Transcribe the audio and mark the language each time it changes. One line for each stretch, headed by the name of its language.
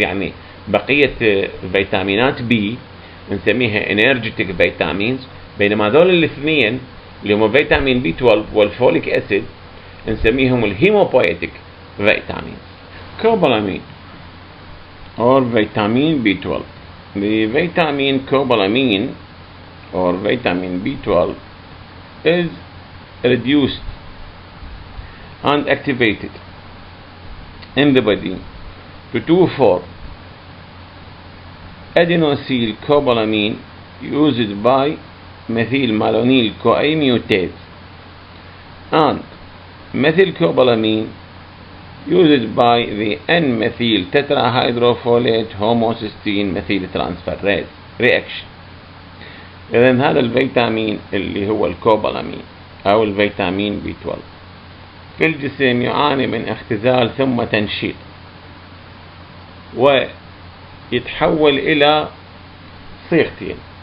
Arabic: يعني بقيه فيتامينات بي نسميها انرجيتك فيتامينز، بينما دول الاثنين اللي هم فيتامين بي 12 والفوليك اسيد نسميهم الهيموبويتيك فيتامينز. كوبالامين او فيتامين بي 12. الفيتامين كوبالامين او فيتامين بي 12
English: Is reduced and activated in the body to 2-4 adenosyl cobalamin used by methyl malonyl CoA mutase and methyl cobalamin used by the N methyl tetrahydrofolate homocysteine methyl transferase reaction.
Arabic: اذا هذا الفيتامين اللي هو الكوبالامين او الفيتامين بي 12 في الجسم يعاني من اختزال ثم تنشيط، و يتحول الى صيغتين.